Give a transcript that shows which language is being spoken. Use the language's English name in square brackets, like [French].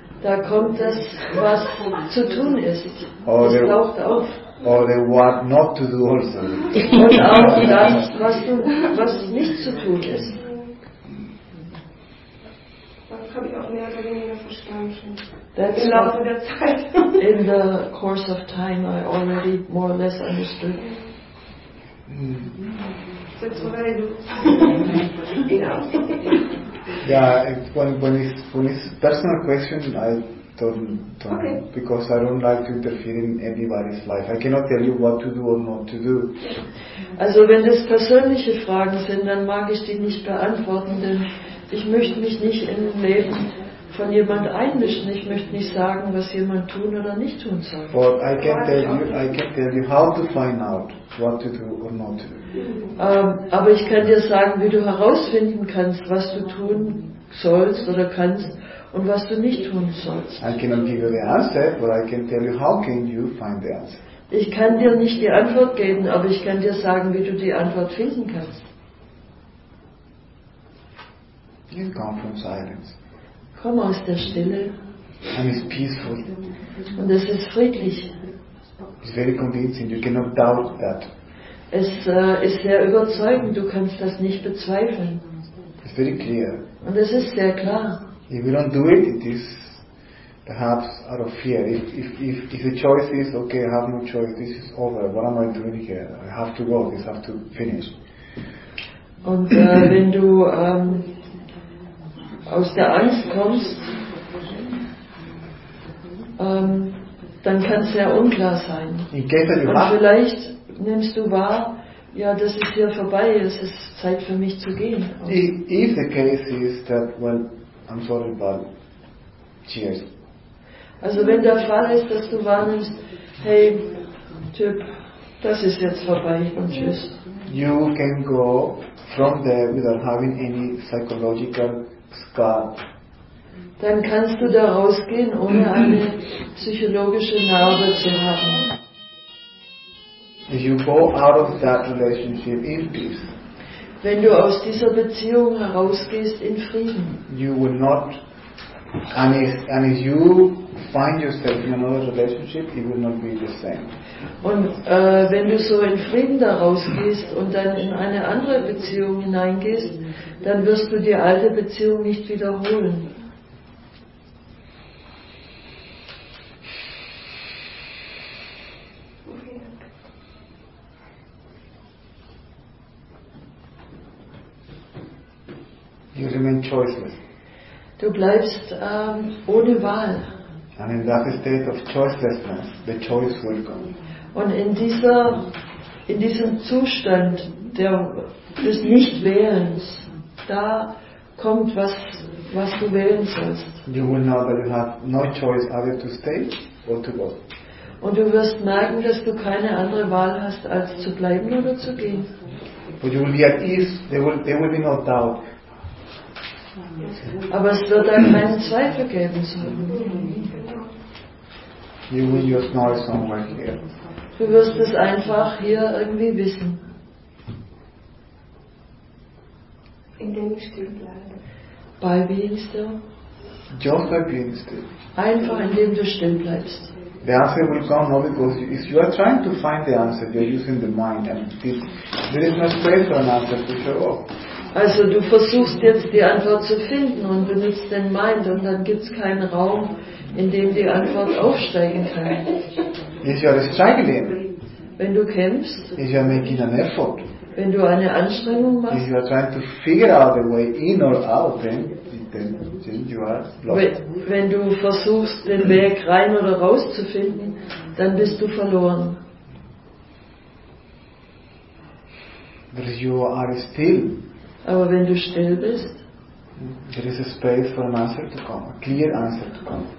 [German] Da kommt das, was zu tun ist. Es taucht auf. [English] Or what not to do also. [German] Und auch das, was nicht zu tun ist. Das habe ich auch mehr oder weniger verstanden schon. [English] That's in the course of time I already more or less understood. Yeah, when it's personal question, I don't okay. Because I don't like to interfere in anybody's life. I cannot tell you what to do or not to do. [German] Also, wenn das persönliche Fragen sind, dann mag ich die nicht beantworten, denn ich möchte mich nicht in das Leben von jemand einmischen. Ich möchte nicht sagen, was jemand tun oder nicht tun soll. [English] But I can tell you how to find out what to do or not to do. [German] Aber ich kann dir sagen, wie du herausfinden kannst, was du tun sollst oder kannst und was du nicht tun sollst. [English] I cannot give you the answer, but I can tell you how can you find the answer. [German] Ich kann dir nicht die Antwort geben, aber ich kann dir sagen, wie du die Antwort finden kannst. [English] You come from silence. [German] Komm aus der Stille. [English] And it's peaceful. [German] Und es ist friedlich. [English] It's very convincing. You cannot doubt that. [German] Es ist sehr überzeugend, du kannst das nicht bezweifeln. [English] It's very clear. [German] Und es ist sehr klar. [English] If we don't do it, it is perhaps out of fear. If the choice is, okay, I have no choice, this is over, what am I doing here? I have to go, this has to finish. [German] Und wenn du aus der Angst kommst, dann kann es sehr unklar sein. Und vielleicht nimmst du wahr, ja, das ist hier vorbei, es ist Zeit für mich zu gehen. [English] If the case is that, well, I'm sorry, but cheers. [German] Also wenn der Fall ist, dass du wahrnimmst, hey, Typ, das ist jetzt vorbei und tschüss. [English] You can go from there without having any psychological scar. [German] Dann kannst du da rausgehen, ohne eine psychologische Narbe zu haben. [English] If you go out of that relationship in peace, [German] wenn du aus dieser Beziehung herausgehst in Frieden, [English] you will not, and if you find yourself in another relationship, it will not be the same. [German] Und wenn du so in Frieden daraus gehst und dann in eine andere Beziehung hineingehst, dann wirst du die alte Beziehung nicht wiederholen. [English] You remain choiceless. [German] Du bleibst ohne Wahl. [English] And in that state of choicelessness, the choice will come. [German] Und in diesem Zustand des Nichtwählens, da kommt was du wählen sollst. [English] You will know that you have no choice either to stay or to go. [German] Und du wirst merken, dass du keine andere Wahl hast, als zu bleiben oder zu gehen. [English] But you will be at ease. There will be no doubt. [German] Aber es wird dann keinen Zweifel geben. [English] You will just know it somewhere here. [German] Du wirst es einfach hier irgendwie wissen. Indem ich still bleibe. [English] By being still. Just by being still. [German] Einfach indem du still bleibst. [English] The answer will come not because you are trying to find the answer, you are using the mind, and there is no space for an answer to show up. [German] Also du versuchst jetzt die Antwort zu finden und benutzt den Mind und dann gibt es keinen Raum, in dem die Antwort aufsteigen kann. [English] If you are struggling, [German] wenn du kämpfst, [English] if you are making an effort, [German] wenn du eine Anstrengung machst, [English] if you are trying to figure out a way in or out, then you are lost. [German] Wenn du versuchst, den Weg rein oder raus zu finden, dann bist du verloren. [English] But you are still. [German] Aber wenn du still bist, [English] there is a space for an answer to come, a clear answer to come.